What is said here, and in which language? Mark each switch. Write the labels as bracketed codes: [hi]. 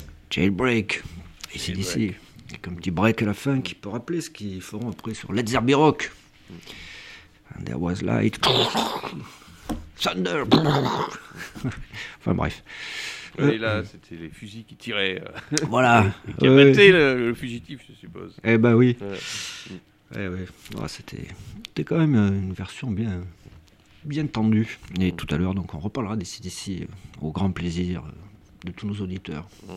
[fr] Jailbreak, et c'est d'ici, comme petit break à la fin qui peut rappeler ce qu'ils feront après sur Let's There Be Rock. [en] And there was light, thunder, [fr] enfin bref. Et là, c'était les fusils qui tiraient. Voilà. Qui abattaient le fugitif, je suppose. Eh ben oui. Ouais. Eh oui, oh, c'était quand même une version bien... bien tendu. Et tout à l'heure, donc, on reparlera d'ici d'ici au grand plaisir de tous nos auditeurs.